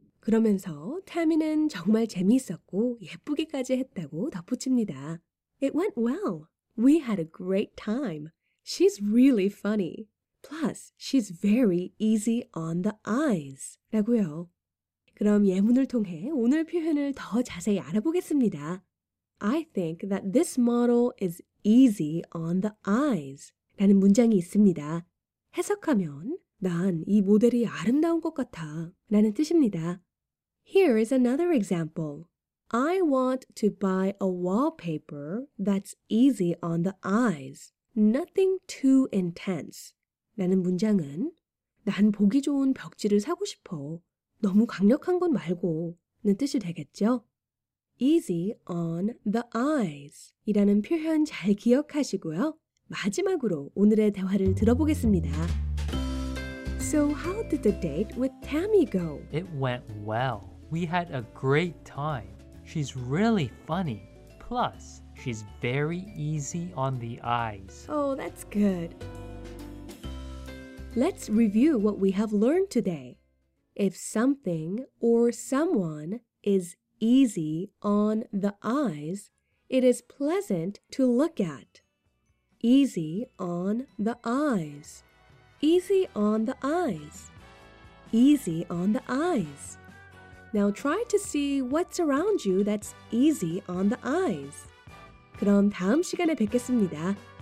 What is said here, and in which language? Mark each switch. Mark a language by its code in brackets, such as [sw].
[ko] 그러면서 태미는 정말 재미있었고 예쁘기까지 했다고 덧붙입니다. [en] It went well. We had a great time. She's really funny. Plus, she's very easy on the eyes. [ko] 라고요. 그럼 예문을 통해 오늘 표현을 더 자세히 알아보겠습니다. [en] I think that this model is easy on the eyes. [ko] 라는 문장이 있습니다. 해석하면, 난 이 모델이 아름다운 것 같아. 라는 뜻입니다. [en] Here is another example. I want to buy a wallpaper that's easy on the eyes. Nothing too intense. [ko] 라는 문장은 난 보기 좋은 벽지를 사고 싶어. 너무 강력한 건 말고는 뜻이 되겠죠? [en] Easy on the eyes [ko] 이라는 표현 잘 기억하시고요. 마지막으로 오늘의 대화를 들어보겠습니다. [en] So how did the date with Tammy go? It went well. We had a great time. She's really funny. Plus, she's very easy on the eyes. Oh, that's good. Let's review what we have learned today. If something or someone is easy on the eyes, it is pleasant to look at. Easy on the eyes. Easy on the eyes. Easy on the eyes. Now try to see what's around you that's easy on the eyes. [ko] 그럼 다음 시간에 뵙겠습니다.